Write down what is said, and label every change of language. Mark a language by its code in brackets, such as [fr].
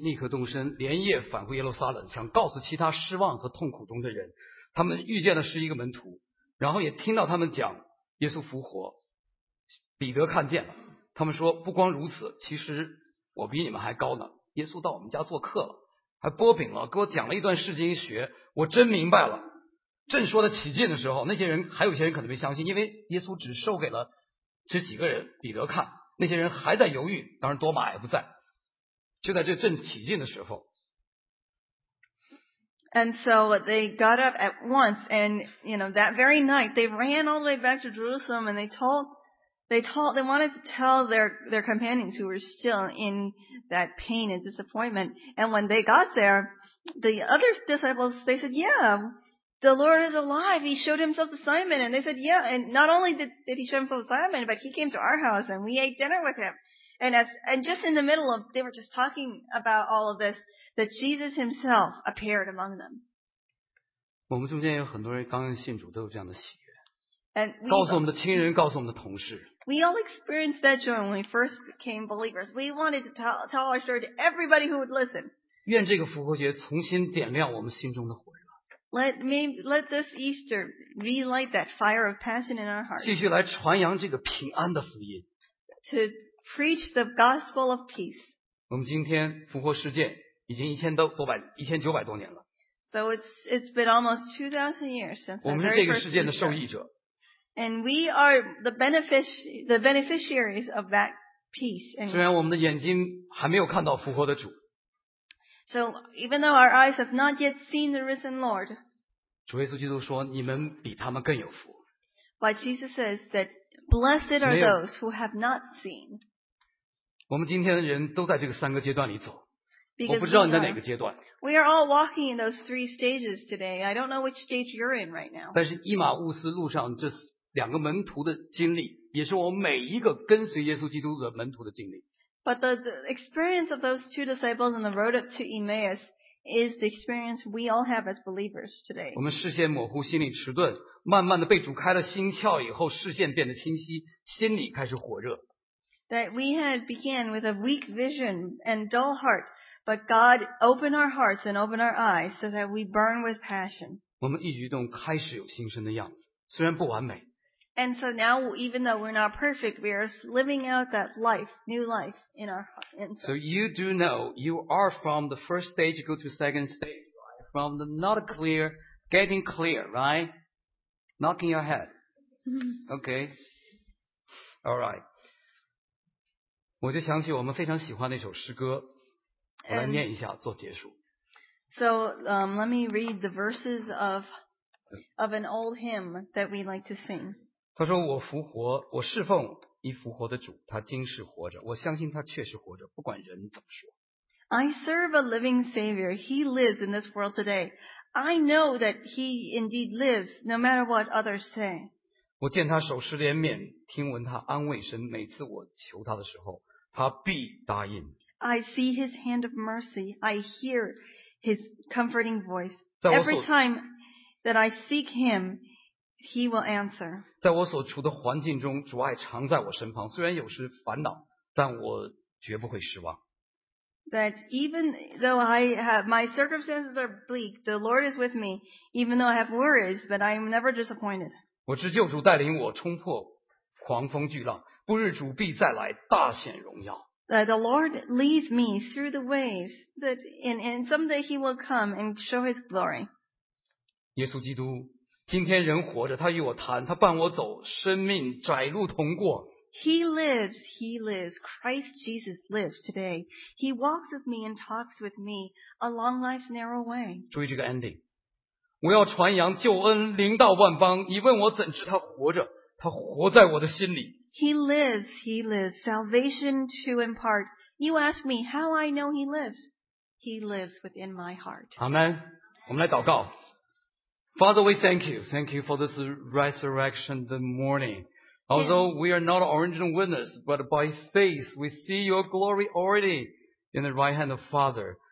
[zh] 立刻动身，连夜返回耶路撒冷，想告诉其他失望和痛苦中的人，他们遇见了十一个门徒，然后也听到他们讲耶稣复活，彼得看见了，他们说不光如此，其实我比你们还高呢。耶稣到我们家做客了，还拨饼了，给我讲了一段释经学，我真明白了。正说的起劲的时候，那些人还有些人可能没相信，因为耶稣只授给了这几个人彼得看。那些人还在犹豫，当然多马也不在。就在这正起劲的时候 [en] ，And so they got up at once, and you know that very night they ran all the way back to Jerusalem, and they wanted to tell their companions who were still in that pain and disappointment. And when they got there, the other disciples they said, "Yeah, the Lord is alive. He showed himself to Simon." And they said, "Yeah." And not only did he show himself to Simon, but he came to our house and we ate dinner with him. And just in the middle of they were just talking about all of this, that Jesus himself appeared among them. [zh] 我们中间有很多人刚刚信主都有这样的喜悦。 [en] And [zh] 告诉我们的亲人，告诉我们的同事。 [en] We all experienced that joy when we first became believers. We wanted to tell our story to everybody who would listen. [zh] 愿这个复活节重新点亮我们心中的火。 [en] Let this Easter relight that fire of passion in our hearts. [zh] 继续来传扬这个平安的福音。 [en] To preach the gospel of peace. [zh] 我们今天复活事件已经1900多年了。 [en] So it's been almost 2,000 years since the very first Easter. [zh] 我们是这个事件的受益者。 [en] And we are the beneficiaries of that peace. [zh] 虽然我们的眼睛还没有看到复活的主。 [en] So even though our eyes have not yet seen the risen Lord, [zh] 主耶稣基督说你们比他们更有福。 [en] But Jesus says that blessed are those who have not seen. [zh] 我们今天的人都在这个三个阶段里走。 [en] Because、 [zh] 我不知道你在哪个阶段。 [en] We are all walking in those three stages today. I don't know which stage you're in right now. [zh] 但是以马忤斯路上这两个门徒的经历，也是我每一个跟随耶稣基督的门徒的经历。 [en] But the experience of those two disciples on the road up to Emmaus is the experience we all have as believers today. [zh] 我们视线模糊，心里迟钝，慢慢的被主开了心窍以后，视线变得清晰，心里开始火热。 [en] That we had began with a weak vision and dull heart, but God opened our hearts and opened our eyes so that we burn with passion. [zh] 我们一举动开始有新生的样子，虽然不完美。 [en] And so now, even though we're not perfect, we are living out that life, new life in our hearts. So you do know you are from the first stage, go to second stage, right? From the not clear, getting clear, right? Knocking your head. Okay. All right. [zh] 我就想起我们非常喜欢那首诗歌，我来念一下做结束。 [en] So let me read the verses of an old hymn that we like to sing. [zh] 他说我复活，我侍奉已复活的主，他今是活着，我相信他确实活着，不管人怎么说。 [en] I serve a living Savior. He lives in this world today. I know that he indeed lives, no matter what others say. [zh] 我见他手施怜悯，听闻他安慰神，每次我求他的时候，他必答应。 [en] I see his hand of mercy. I hear his comforting voice. Every time that I seek him,He will answer. [zh] 在我所处的环境中，主爱常在我身旁。虽然有时烦恼，但我绝不会失望。 [en] That even though I have my circumstances are bleak, the Lord is with me. Even though I have worries, but I am never disappointed. [zh] 我知救主带领我冲破狂风巨浪，不日主必再来，大显荣耀。 [en] that the Lord leads me through the waves, that and someday He will come and show His glory. [zh] 耶稣基督, 今天人活着, 祂与我谈, 祂伴我走, 生命窄路同过。 [en] He lives, He lives, Christ Jesus lives today. He walks with me and talks with me along life's narrow way. [zh] 注意这个ending。我要传扬救恩临到万邦，你问我怎知他活着？他活在我的心里。 [en] He lives, He lives, salvation to impart. You ask me how I know He lives. He lives within my heart. Amen. [zh] 我们来祷告。 [en] Father, we thank you. Thank you for this resurrection the morning. Although we are not original witness, but by faith we see your glory already in the right hand of Father.